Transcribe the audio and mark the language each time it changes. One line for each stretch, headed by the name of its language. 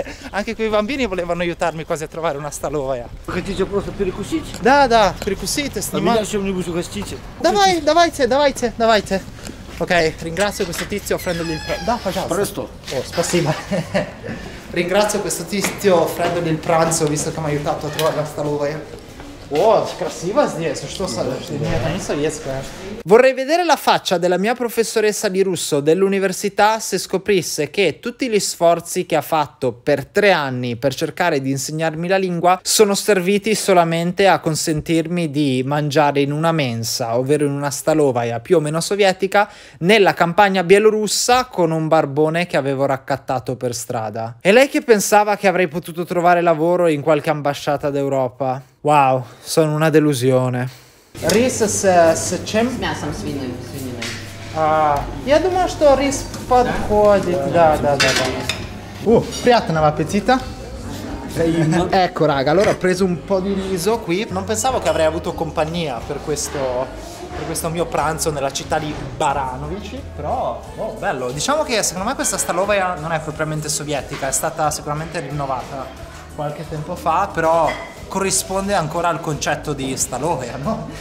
Italian: Anche quei bambini volevano aiutarmi quasi a trovare una staloia.
Russian: Хотите просто перекусить? Да, да, перекусите, снимать. А меня чем-нибудь угостите? Давай, давайте, давайте, давайте.
Italian: Ok, ringrazio questo tizio offrendogli il pranzo. Da, facciamo. Presto.
Russian: Oh, spassiva.
Italian: Ringrazio questo tizio offrendogli il pranzo, visto che mi ha aiutato a trovare la staloia.
Russian: Oh, красиво здесь, что советское.
Italian: Vorrei vedere la faccia della mia professoressa di russo dell'università se scoprisse che tutti gli sforzi che ha fatto per 3 anni per cercare di insegnarmi la lingua sono serviti solamente a consentirmi di mangiare in una mensa, ovvero in una stalovaia più o meno sovietica, nella campagna bielorussa con un barbone che avevo raccattato per strada. E lei che pensava che avrei potuto trovare lavoro in qualche ambasciata d'Europa? Wow, sono una delusione.
Russian: Рис с чем? С мясом свининой. А, я думаю, что рис подходит. Да, да, да, да. Приятного аппетита.
Italian: Ecco, raga, allora ho preso un po' di riso qui. Non pensavo che avrei avuto compagnia per questo mio pranzo nella città di Baranovici. Però, oh, bello. Diciamo che secondo me questa stalovaia non è propriamente sovietica. È stata sicuramente rinnovata qualche tempo fa, però corrisponde ancora al concetto di stalovaia, no?